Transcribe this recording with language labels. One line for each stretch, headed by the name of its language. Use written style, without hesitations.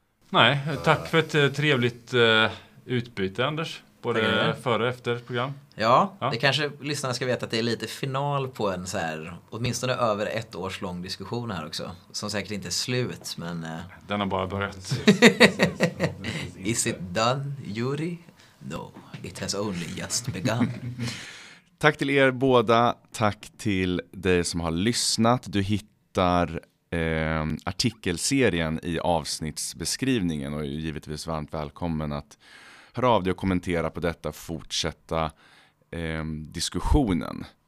Swedish: Nej, tack för ett trevligt utbyte, Anders. Både före och efter program. Ja, ja, det kanske lyssnarna ska veta att det är lite final på en så här, åtminstone över ett års lång diskussion här också. Som säkert inte är slut, men den har bara börjat.
English: Is it done, Yuri? No, it has only just begun.
Swedish: Tack till er båda. Tack till dig som har lyssnat. Du hittar artikelserien i avsnittsbeskrivningen och är givetvis varmt välkommen att höra av dig och kommentera på detta, fortsätta diskussionen.